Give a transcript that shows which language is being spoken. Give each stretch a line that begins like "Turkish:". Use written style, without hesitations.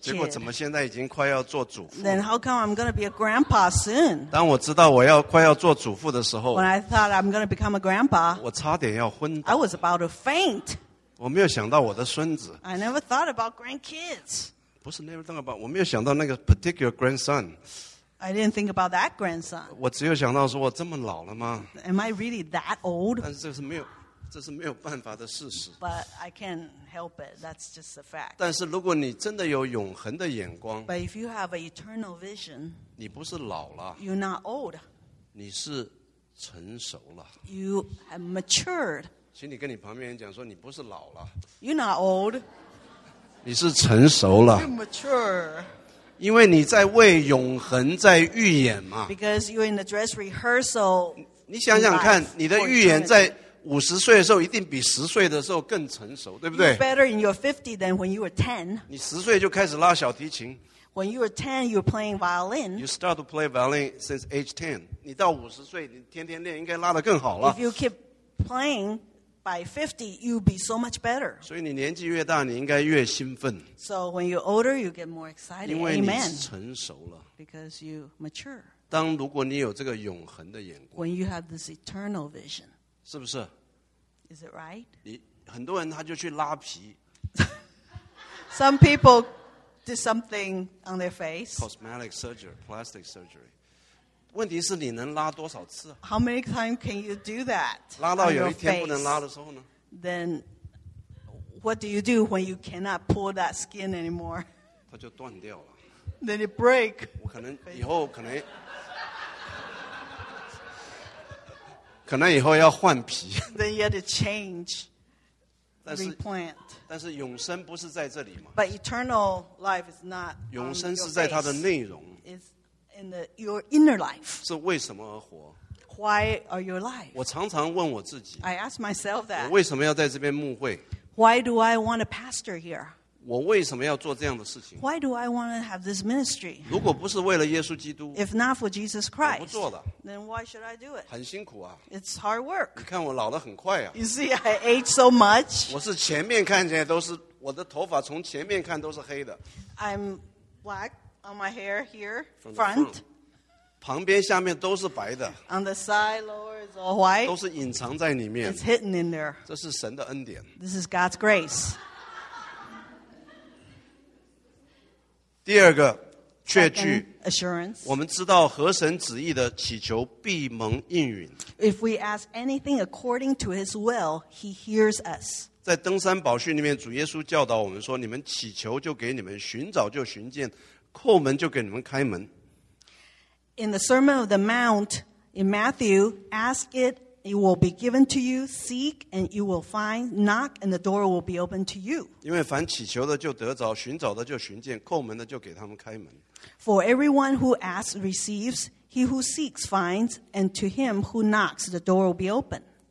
Chinese: 结果怎么现在已经快要做主妇？
English: Then how come I'm going to be a grandpa soon?
Chinese: 当我知道我要快要做主妇的时候，
English: when I thought I'm going to become a grandpa,
Chinese: 我差点要昏倒。
English: I was about to faint.
Chinese: 我没有想到我的孙子。
English: I never thought about grandkids.
Chinese: 不是
English: never thought about,
Chinese: 我没有想到那个
English: particular grandson. I didn't think about that grandson.
Chinese: 我只有想到说我这么老了吗？
English: Am I really that old?
Chinese: 但是这是没有。
English: But I can't help it. That's just a fact.
Chinese: 但是如果你真的有永恒的眼光,
English: but if you have an eternal vision,
Chinese: 你不是老了,
English: you're not old.
Chinese: 你是成熟了,
English: you have matured.
Chinese: 请你跟你旁边人讲说, 你不是老了,
English: you're not old.
Chinese: 你是成熟了,
English: you're mature.
Chinese: 因为你在为永恒在预演嘛,
English: because you're in the dress rehearsal.
Chinese: 你想想看, 你的预演在 50岁的时候一定比10岁的时候更成熟, 对不对?
English: You're better in your 50 than when you were 10.
Chinese: 你10岁就开始拉小提琴。
English: When you were 10, you were playing violin. You start to play violin since age 10.
Chinese: 你到50岁,你天天练应该拉得更好了。
English: If you keep playing by 50, you'll be so much better.
Chinese: 所以你年纪越大,你应该越兴奋。
English: So when you're older, you get more excited.
Chinese: 因为你成熟了。
English: Because you mature.
Chinese: 当如果你有这个永恒的眼光,
English: when you have this eternal vision,
Chinese: 是不是?
English: Is it right?
Chinese: 很多人他就去拉皮。
English: Some people did something on their face. Cosmetic surgery, plastic surgery.
Chinese: 问题是你能拉多少次?
English: How many times can you do that?
Chinese: 拉到有一天不能拉的时候呢?
English: Then what do you do when you cannot pull that skin anymore?
Chinese: 它就断掉了。
English: Then it break.
Chinese: 我可能以后可能 可能以后要换皮。
English: Then you had to change replant.
Chinese: 但是永生不是在这里吗？
English: But eternal life is not.
Chinese: 永生是在它的内容。
English: It's in the, your inner life.
Chinese: 是为什么而活？
English: Why are you alive?
Chinese: 我常常问我自己。
English: I ask myself that.
Chinese: 我为什么要在这边牧会？
English: Why do I want to pastor here?
Chinese: 我为什么要做这样的事情？
English: Why do I want to have this ministry?
Chinese: 如果不是为了耶稣基督，
English: If not for Jesus Christ,
Chinese: 我不做的。
English: Then why should I do it?
Chinese: 很辛苦啊。
English: It's hard work.
Chinese: 你看我老得很快啊。
English: You see, I age so much.
Chinese: 我是前面看起来都是，我的头发从前面看都是黑的。
English: I'm black on my hair here, front. Front.
Chinese: 旁边下面都是白的。
English: On the side, lower is all white.
Chinese: 都是隐藏在里面。
English: It's hidden in there.
Chinese: 这是神的恩典。
English: This is God's grace.
Chinese: 第二个确据
English: assurance,
Chinese: 我们知道合神旨意的祈求必蒙应允。
English: If we ask anything according to his will, he hears us.
Chinese: 在登山宝训里面主耶稣教导我们说你们祈求就给你们寻找就寻见叩门就给你们开门。
English: In the Sermon of the Mount in Matthew, ask it, it will be given to you, seek and you will find, knock and the door will be opened to you.
Chinese: 因为凡祈求的就得着，寻找的就寻见，叩门的就给他们开门。
English: For everyone who asks receives, he who seeks finds, and to him who knocks the door will be open.